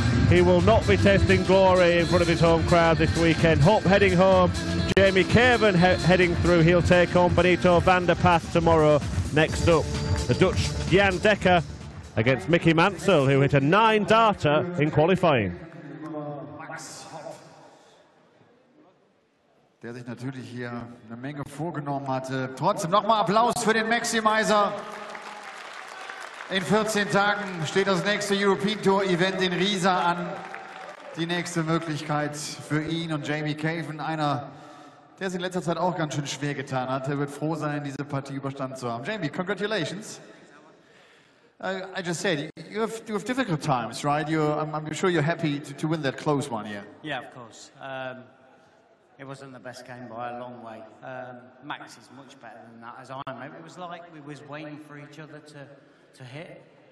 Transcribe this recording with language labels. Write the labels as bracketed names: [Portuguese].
[English] He will not be tasting glory in front of his home crowd this weekend. Hopp heading home. Jamie Caven heading through. He'll take on Benito van der Path tomorrow. Next up, the Dutch Jan Dekker against Mickey Mansell, who hit a 9-darter in qualifying. [German] Max Hopp, der sich natürlich hier eine Menge vorgenommen hatte. Trotzdem nochmal Applaus für den Maximizer. In 14 Tagen steht das nächste European Tour Event in Riesa an. Die nächste Möglichkeit für ihn und Jamie Caven, einer, der sich in letzter Zeit auch ganz schön schwer getan hat. Er wird froh sein, diese Partie überstanden zu haben. [English] Jamie, congratulations. I just said, you have difficult times, right? I'm sure you're happy to win that close one here. Yeah, of course. It wasn't the best game by a long way. Max is much better than that, as I am. It was like we was waiting for each other to hit.